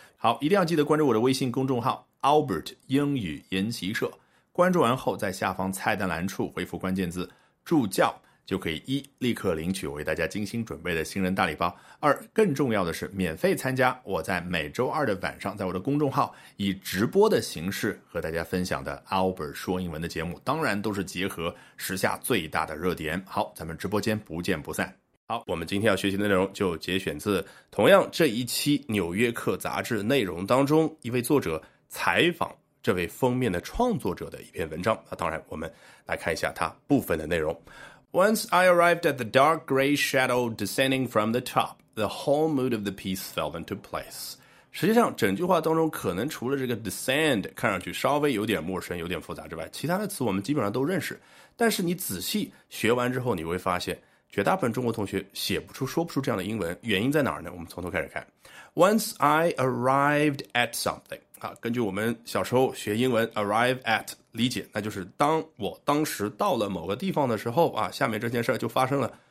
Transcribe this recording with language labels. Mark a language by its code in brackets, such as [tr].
[zh] 好，一定要记得关注我的微信公众号 Albert 英语研习社，关注完后在下方菜单栏处回复关键字助教，就可以一立刻领取我为大家精心准备的新人大礼包，二更重要的是免费参加我在每周二的晚上在我的公众号以直播的形式和大家分享的 Albert 说英文的节目，当然都是结合时下最大的热点。好，咱们直播间不见不散。好，我们今天要学习的内容就节选自同样这一期《纽约客》杂志内容当中一位作者采访这位封面的创作者的一篇文章。那当然我们来看一下它部分的内容。 [en] Once I arrived at the dark gray shadow descending from the top, the whole mood of the piece fell into place. [zh] 实际上整句话当中可能除了这个 descend 看上去稍微有点陌生有点复杂之外，其他的词我们基本上都认识，但是你仔细学完之后你会发现绝大部分中国同学写不出说不出这样的英文，原因在哪儿呢？我们从头开始看。 [en] Once I arrived at something、 [zh] 啊、根据我们小时候学英文 arrive at 理解，那就是当我当时到了某个地方的时候、啊、下面这件事就发生了。